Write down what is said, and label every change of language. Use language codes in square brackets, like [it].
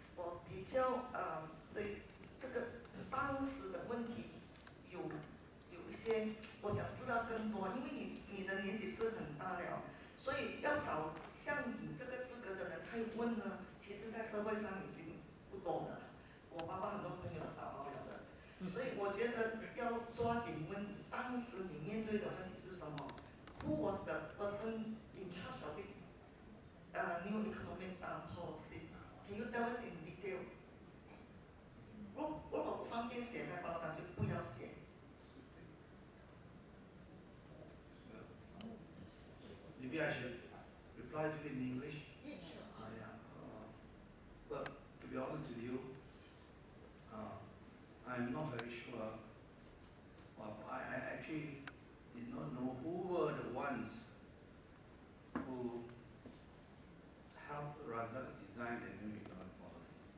[zh] 我比较对这个当时的问题有一些我想知道更多，因为你的年纪是很大了，所以要找像你这个资格的人才问呢。其实，在社会上已经不多了。我爸爸很多朋友都打包了的，所以我觉得要抓紧问当时你面对的问题是什么。 [en] Who was the person in charge of this new economic policy? Can you tell us in detail? [zh] 如果不方便写在报上，就不要写。 [en] Maybe I should reply to it in English. Yeah, sure. But to be honest with you, I'm not very sure. Well, I actually did not know who were the ones who helped Razak design the new economic policy.